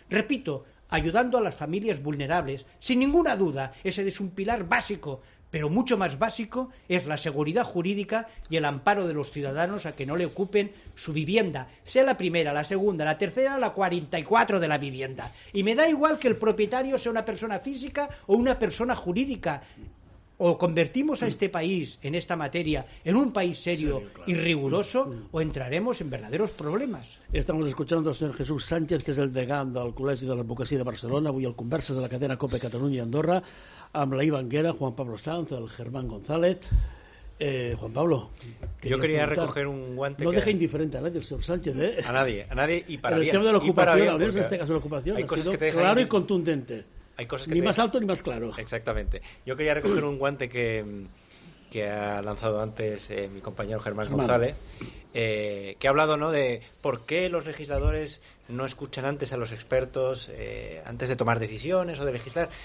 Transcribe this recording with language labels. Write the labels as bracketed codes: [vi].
[es] Repito, ayudando a las familias vulnerables. Sin ninguna duda, ese es un pilar básico, pero mucho más básico es la seguridad jurídica y el amparo de los ciudadanos a que no le ocupen su vivienda, sea la primera, la segunda, la tercera, la 44 de la vivienda. Y me da igual que el propietario sea una persona física o una persona jurídica. O convertimos a este país, en esta materia, en un país serio, claro, y riguroso, o entraremos en verdaderos problemas. Estamos escuchando al señor Jesús Sánchez, que es el [ca] degán del Col·legi de l'Advocacia de Barcelona, avui el Converses de la cadena COPE Catalunya i Andorra, amb la Ivan Guerra, Juan Pablo Sanz, el Germán González. [es] Juan Pablo, yo quería recoger un guante. No deja indiferente a nadie, señor Sánchez. A nadie y para bien. El tema de la ocupación, al menos en este caso la ocupación, ha sido claro y contundente. Hay cosas que ni más alto ni más claro. Exactamente. Yo quería recoger un guante que ha lanzado antes mi compañero Germán González, que ha hablado, ¿no?, de por qué los legisladores no escuchan antes a los expertos antes de tomar decisiones o de legislar.